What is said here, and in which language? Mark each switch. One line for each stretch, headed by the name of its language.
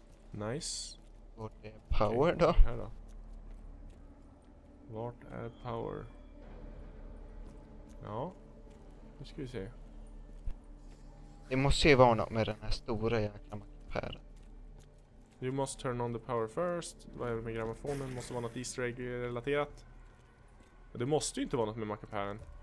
English: Nice.
Swedish: Vart är power då? Här då? Vart är power? Ja. Nu ska vi se. Det måste ju vara något med den här stora jäkla mackapären.
English: You must turn on the power first.
Swedish: Vad är det med grammofonen? Måste vara något easter egg relaterat. Men det måste ju inte vara något med mackapären.